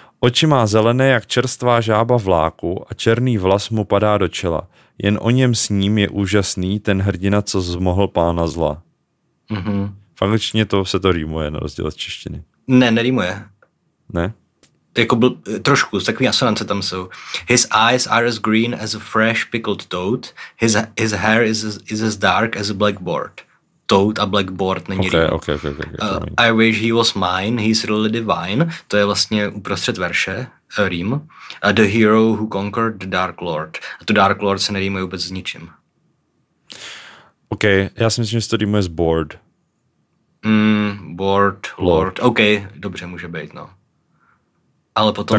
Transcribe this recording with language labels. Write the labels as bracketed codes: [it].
[cs] Oči má zelené, jak čerstvá žába v láku a černý vlas mu padá do čela. Jen o něm s ním je úžasný ten hrdina, co zmohl pána zla. Mm-hmm. V angličtině to se to rýmuje na rozdíl od češtiny. Ne, nerýmuje. Ne? Jako byl, trošku, s takovým asonance tam jsou. [en] His eyes are as green as a fresh pickled toad. His hair is as dark as a blackboard. [cs] Toad a blackboard není rýmu. Okay. [en] I wish he was mine, he's really divine. [cs] To je vlastně uprostřed verše, rým. [en] The hero who conquered the dark lord. [cs] A to dark lord se nerýmuje vůbec s ničím. Okay, já si myslím, že to rýmuje s board. Board, lord. Okay, dobře, může být, no. Ale potom